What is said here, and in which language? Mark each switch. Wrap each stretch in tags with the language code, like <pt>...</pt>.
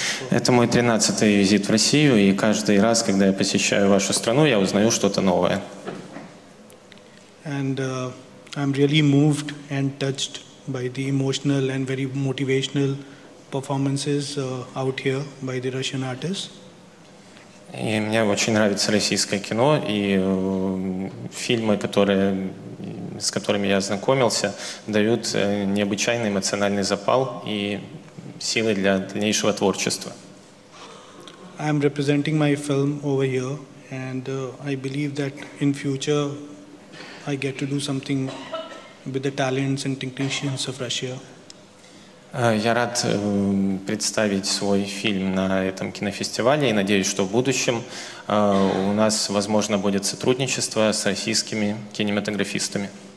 <ru>Это мой 13-й визит в Россию, и каждый раз, когда я посещаю вашу страну, я узнаю что-то новое.</ru> <en>And I'm really moved and touched by the emotional and very motivational performances out here by the Russian artists.</en> <ru>И мне очень нравится российское кино, и фильмы, которые, с которыми я ознакомился, дают необычайный эмоциональный запал и силы для дальнейшего творчества.</ru> <en>I am representing my film over here, and I believe that in future I get to do something with the talents and technicians of Russia.</en> <ru>Я рад представить свой фильм на этом кинофестивале и надеюсь, что в будущем у нас, возможно, будет сотрудничество с российскими кинематографистами.</ru>